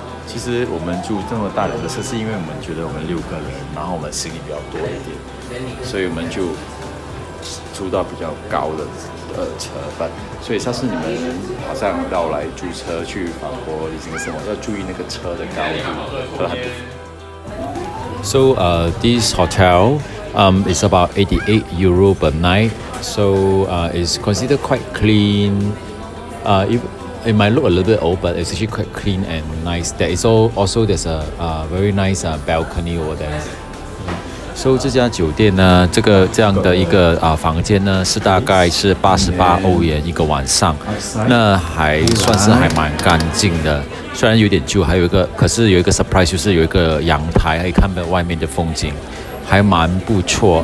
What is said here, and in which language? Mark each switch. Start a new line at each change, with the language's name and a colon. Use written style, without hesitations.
Chinese: 其实我们住这么大辆的车，是因为我们觉得我们六个人，然后我们行李比较多一点，所以我们就租到比较高的车。所以下次你们好像要来租车去法国旅行的时候，要注意那个车的高度。
English: So, this hotel, is about 88 euro per night. So, it's considered quite clean. It might look a little bit old, but it's actually quite clean and nice. There is also there's a very nice balcony over there.
Chinese: So 这家酒店呢，这个这样的一个房间呢，是大概是88欧元一个晚上，那还算是还蛮干净的。虽然有点旧，还有一个，可是有一个 surprise 就是有一个阳台，可以看到外面的风景，还蛮不错。